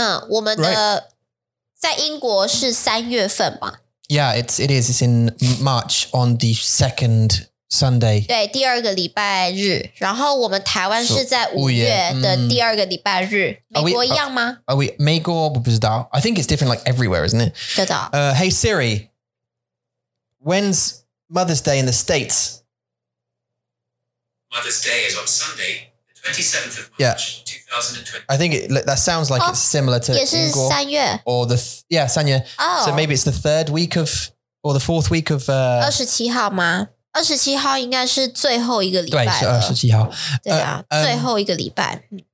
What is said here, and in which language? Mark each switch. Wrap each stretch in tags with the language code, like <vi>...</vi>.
<zh>我们的在英国是3月份吧。</zh> <en>Yeah, it's in March on the 2nd Sunday.</en> <zh>对,第二个礼拜日。然后我们台湾是在5月的第二个礼拜日。美国一样吗?</zh> <en>Are we</en> <zh>美国,我不知道。</zh> <en>I think it's different like everywhere, isn't it?</en> <zh>对的。</zh> <en>Hey Siri, when's Mother's Day in the States? Mother's Day is on Sunday, the 27th of March, 2020. I think that sounds like it's similar to Ingo. Or the, yeah, Sanya. Oh. So maybe it's the third week of, or the fourth week of...</en> <zh>27号吗? 27号应该是最后一个礼拜了。对,27号。对啊,最后一个礼拜。</zh>